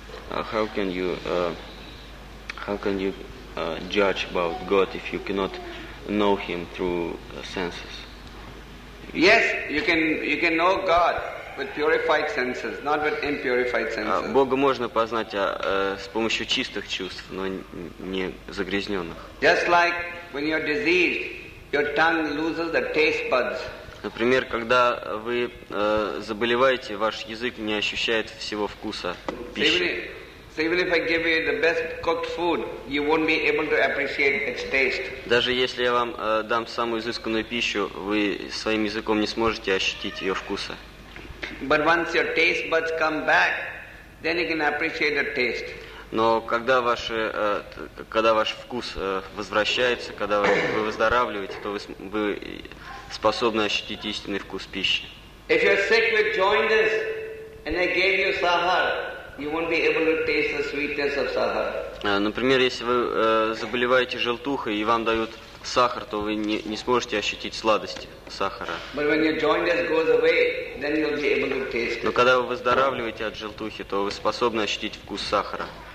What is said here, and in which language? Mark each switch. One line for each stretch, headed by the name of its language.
English: How can you judge about God if you cannot know Him through senses? Yes, you can know God with purified senses, not with impurified senses.
Russian: Бога можно познать с помощью чистых чувств, но не загрязненных.
English: Just like when you're diseased, your tongue loses the taste buds.
Russian: Например, когда вы заболеваете, ваш язык не ощущает всего вкуса пищи.
English: So even if I give you the best cooked food, you won't be able to appreciate its taste.
Russian: Даже если я вам дам самую изысканную пищу, вы своим языком не сможете ощутить ее вкуса.
English: But once your taste buds come back, then you can appreciate the taste.
Russian: Но когда ваш вкус возвращается, когда вы выздоравливаете, то вы способны ощутить истинный вкус пищи.
English: If you're sick with jaundice and I gave you sahar, you won't be able to taste the sweetness of sahar.
Russian: Например, если вы заболеваете желтухой и вам дают сахар, то вы не сможете ощутить сладости сахара.
English: But when your jaundice goes away, then you'll be able to taste it.
Russian: Но когда вы выздоравливаете от желтухи, то вы способны ощутить вкус сахара.